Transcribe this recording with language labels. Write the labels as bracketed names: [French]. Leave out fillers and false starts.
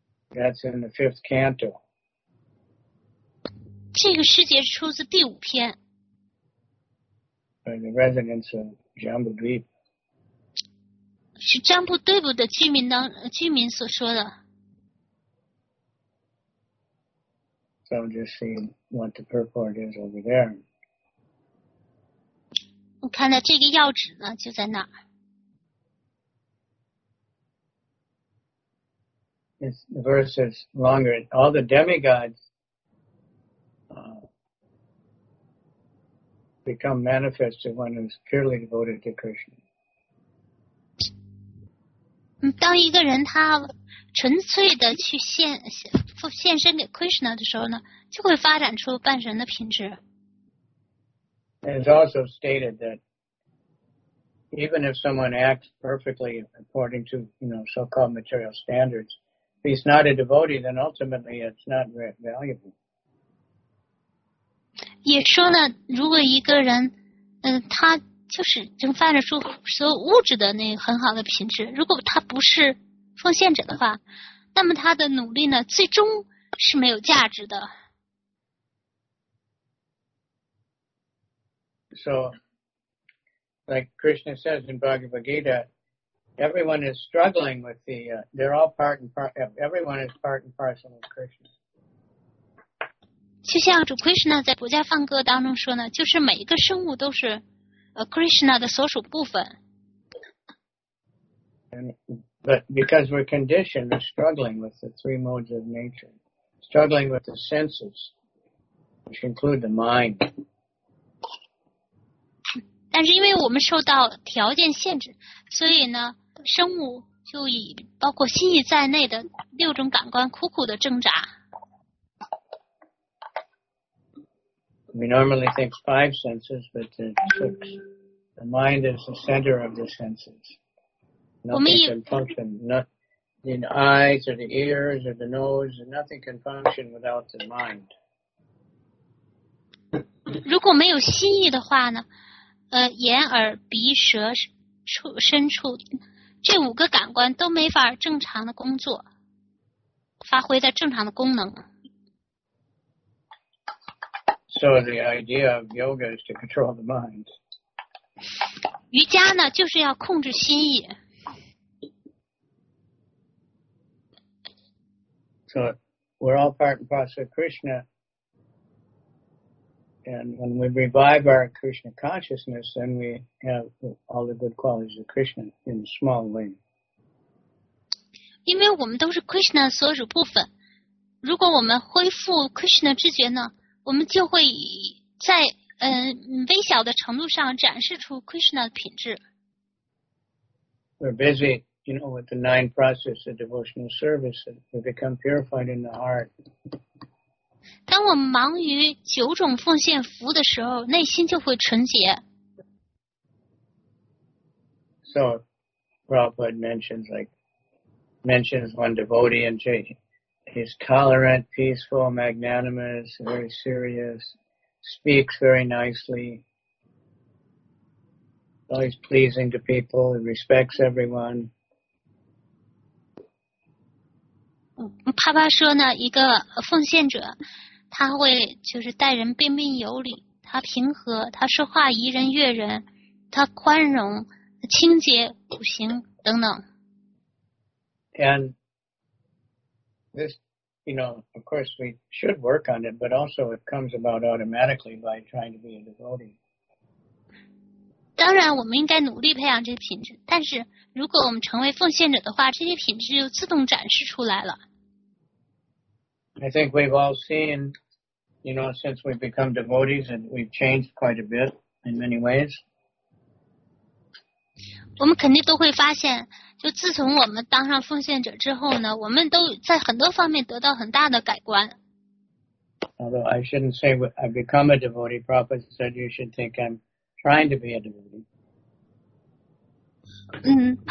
[English] That's in the fifth canto. [Chinese] 这个师姐出自第五篇。 [English] The residents of Jambudvip. [Chinese] 是占卜队伍的居民当居民所说的。 [English] So just see what the purport is over there. [Chinese] 我看到这个钥匙呢，就在那儿。 [English] This verse is longer. All the demigods, become manifest to one who's purely devoted to Krishna. [Chinese] 当一个人他纯粹的去献身给 Krishna 的时候呢，就会发展出半神的品质。 [English] It's also stated that even if someone acts perfectly according to, you know, so-called material standards, if he's not a devotee, then ultimately it's not very valuable. [Chinese] 也说呢，如果一个人，他就是能发展出所有物质的那很好的品质，如果他不是奉献者的话，那么他的努力呢，最终是没有价值的。 [English] So, like Krishna says in Bhagavad Gita, everyone is struggling with the, they're all part and parcel, everyone is part and parcel of Krishna. [Chinese] 就像主 Krishna 在博迦梵歌当中说呢，就是每一个生物都是Krishna 的所属部分。 [English] But because we're conditioned, we're struggling with the three modes of nature, struggling with the senses, which include the mind. [Chinese] 但是因为我们受到条件限制，所以呢，生物就以包括心意在内的六种感官苦苦的挣扎。 [English] We normally think five senses, but it's six. The mind is the center of the senses. Nothing can function. Not the eyes or the ears or the nose. Nothing can function without the mind. [Chinese] 如果没有心意的话呢？眼耳鼻舌身处这五个感官都没法正常的工作，发挥在正常的功能。 [English] So the idea of yoga is to control the mind. [Chinese] 瑜伽呢，就是要控制心意。 [English] So we're all part and parcel of Krishna. And when we revive our Krishna consciousness, then we have all the good qualities of Krishna in a small way. [Chinese] 因为我们都是 Krishna 所属部分，如果我们恢复 Krishna 知觉呢，我们就会在微小的程度上展示出 Krishna 的品质。 [English] We're busy, you know, with the nine processes of devotional service. We become purified in the heart. [Chinese] 当我们忙于九种奉献服务的时候，内心就会纯洁。 [English] So, Prabhupada mentions one devotee and he's tolerant, peaceful, magnanimous, very serious, speaks very nicely, always pleasing to people, and respects everyone. [Chinese] 帕帕说呢，一个奉献者，他会就是待人彬彬有礼，他平和，他说话宜人悦人，他宽容、清洁、苦行等等。 [English] And this, you know, of course we should work on it, but also it comes about automatically by trying to be a devotee. [Chinese] 当然，我们应该努力培养这些品质，但是如果我们成为奉献者的话，这些品质就自动展示出来了。 [English] I think we've all seen, you know, since we've become devotees and we've changed quite a bit in many ways. [Chinese] 我们肯定都会发现，就自从我们当上奉献者之后呢，我们都在很多方面得到很大的改观。 [English] Although I shouldn't say I've become a devotee, Prabhupada said you should think I'm trying to be a devotee.